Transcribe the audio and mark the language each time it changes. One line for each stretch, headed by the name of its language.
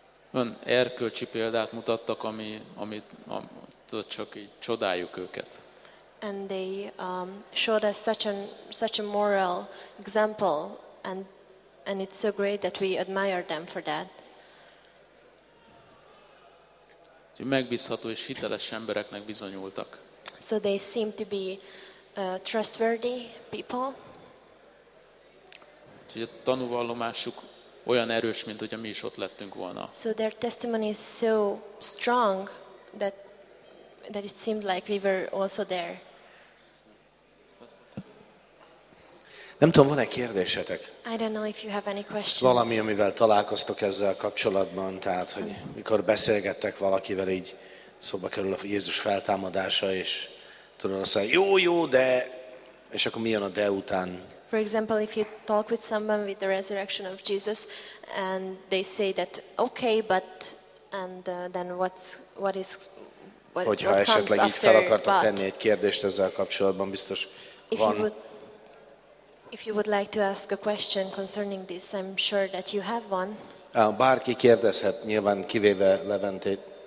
Hungarian: Ön erkölcsi példát mutattak, amit csak így csodáljuk őket.
English: And they showed us such a moral example, and it's so great that we admire them for that.
Hungarian: Megbízható és hiteles embereknek bizonyultak.
English: So they seem to be trustworthy people.
Hungarian: Úgyhogy a tanúvallomásuk olyan erős, mint hogy mi is ott lettünk volna.
English: So their testimony is so strong that it seemed like we were also there.
Hungarian: Nem tudom, van-e kérdésetek?
English: I don't know if you have any questions.
Hungarian: Valami, amivel találkoztok ezzel kapcsolatban, tehát hogy mikor beszélgettek valakivel, így szóba kerül a Jézus feltámadása, és tudod, azt mondja, jó, de, és akkor mi jön a de után?
English: For example, if you talk with someone with the resurrection of Jesus, and they say that okay, but and then what comes after?
Hungarian: Hogyha esetleg így fel akartok tenni egy kérdést ezzel kapcsolatban, biztos van.
English: If you would like to ask a question concerning this, I'm sure that you have one.
Hungarian: Bárki kérdezhet, nyilván kivéve Leventét.